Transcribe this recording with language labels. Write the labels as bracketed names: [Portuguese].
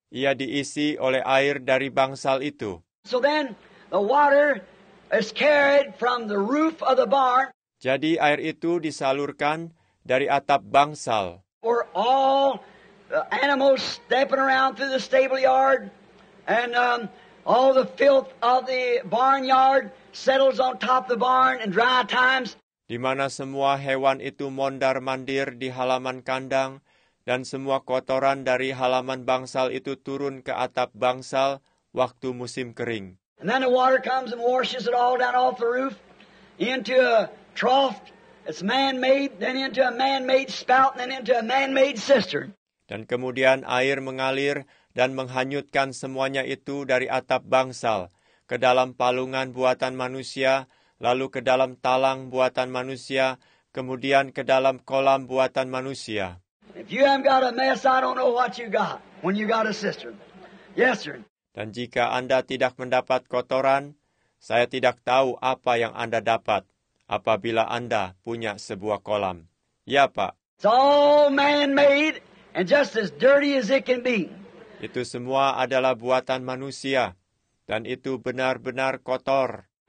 [Indonesian] Ia diisi oleh air dari bangsal itu. [English] So then the water is carried from the roof of the barn. [Indonesian] Jadi air itu disalurkan dari atap bangsal. [English] For all the animals stepping around through the stable yard and all the filth of the barnyard settles on top of the barn in dry times. [Indonesian] Di mana semua hewan itu mondar-mandir di halaman kandang dan semua kotoran dari halaman bangsal itu turun ke atap bangsal waktu musim kering. [English] And then the water comes and washes it all down off the roof into a trough. It's man-made, then into a man-made spout, then into a man-made cistern. [Indonesian] Dan kemudian air mengalir dan menghanyutkan semuanya itu dari atap bangsal ke dalam palungan buatan manusia, lalu ke dalam talang buatan manusia, kemudian ke dalam kolam buatan manusia. [English] If you haven't got a mess, I don't know what you got when you got a cistern. Yes, sir. [Indonesian] Dan jika Anda tidak mendapat kotoran, saya tidak tahu apa yang Anda dapat apabila Anda punya sebuah kolam. Ya, Pak. [English] It's all man-made and just as dirty as it can be. [Indonesian] Itu semua adalah buatan manusia dan itu benar-benar kotor.